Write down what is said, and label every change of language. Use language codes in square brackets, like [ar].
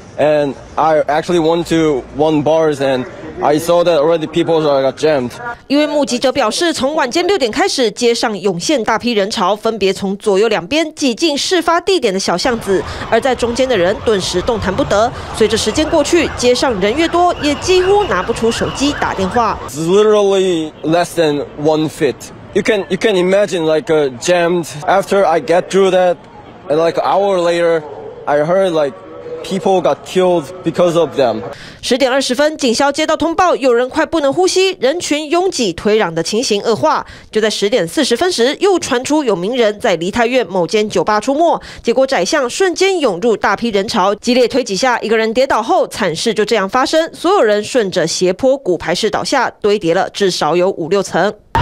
[en] and I actually went to one bars and I saw that already people are jammed. [zh] 一位目击者表示，从晚间六点开始，街上涌现大批人潮，分别从左右两边挤进事发地点的小巷子，而在中间的人顿时动弹不得。随着时间过去，街上人越多，也几乎拿不出手机打电话。 [en] It's literally less than 1 feet. You can imagine like jammed. After I get through that, and like an hour later, I heard like. People got killed because of them. [zh] 10:20，警消接到通报，有人快不能呼吸，人群拥挤推攘的情形恶化。就在10:40时，又传出有名人在梨泰院某间酒吧出没，结果窄巷瞬间涌入大批人潮，激烈推挤下，一个人跌倒后，惨事就这样发生，所有人顺着斜坡骨牌式倒下，堆叠了至少有5-6层。